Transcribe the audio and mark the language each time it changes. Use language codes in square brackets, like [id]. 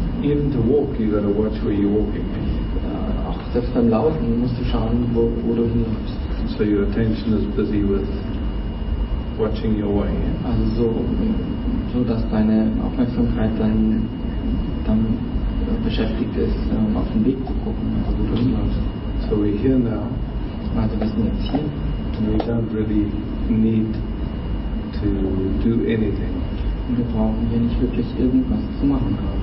[en] Even to walk, you gotta watch where you're walking. [de] Auch selbst beim Laufen musst du schauen, wo du hinläufst. [en] So your attention is busy with watching your way. [de] Also so dass deine Aufmerksamkeit deinen dann beschäftigt ist, auf den Weg zu gucken, also wo du hinläufst. [en] So we're here now. [de] Also wir sind jetzt hier. [en] And we don't really need to do anything. [de] Und wir brauchen hier nicht wirklich irgendwas zu machen.